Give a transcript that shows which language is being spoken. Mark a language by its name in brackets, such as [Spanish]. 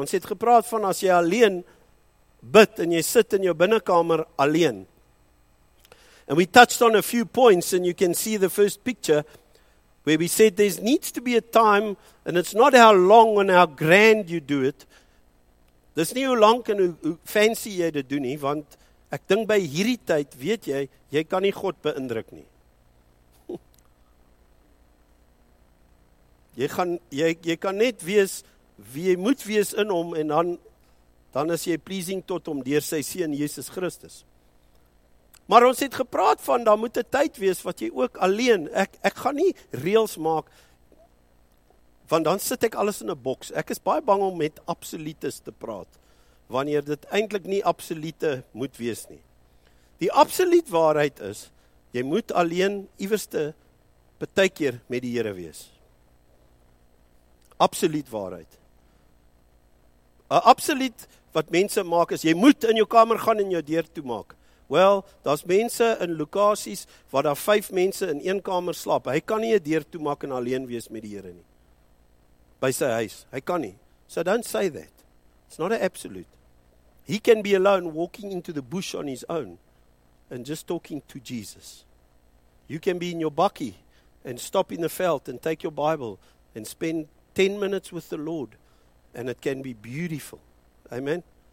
[Afrikaans] Ons het gepraat van as jy alleen bid en jy sit in jou binnenkamer alleen. [English] And we touched on a few points and you can see the first picture where we said there needs to be a time and it's not how long and how grand you do it. [Afrikaans] Dis nie hoe lank en hoe fancy jy dit doen nie, want ek dink by hierdie tyd weet jy, jy kan nie God beïndruk nie. Jy kan net wees wie jy moet wees in hom en dan is jy pleasing tot hom deur sy seun Jesus Christus. Maar ons het gepraat van, daar moet 'n tyd wees wat jy ook alleen, ek gaan nie reels maak, want dan sit ek alles in 'n boks. Ek is baie bang om met absolutes te praat, wanneer dit eintlik nie absolute moet wees nie. Die absoluut waarheid is, jy moet alleen iewerste partykeer met die Here wees. Absoluut waarheid. 'N absoluut wat mense maak is, jy moet in jou kamer gaan en jou deur toemaak. Wel, daar's mense in lokasies waar daar 5 mense in een kamer slaap. Hy kan nie 'n deur toemaak en alleen wees met die Here nie. By sy huis. Hy kan nie. [English] So don't say that. It's not an absolute. He can be alone walking into the bush on his own and just talking to Jesus. You can be in your bucky and stop in the veld and take your Bible and spend 10 minutes with the Lord and it can be beautiful. Amen.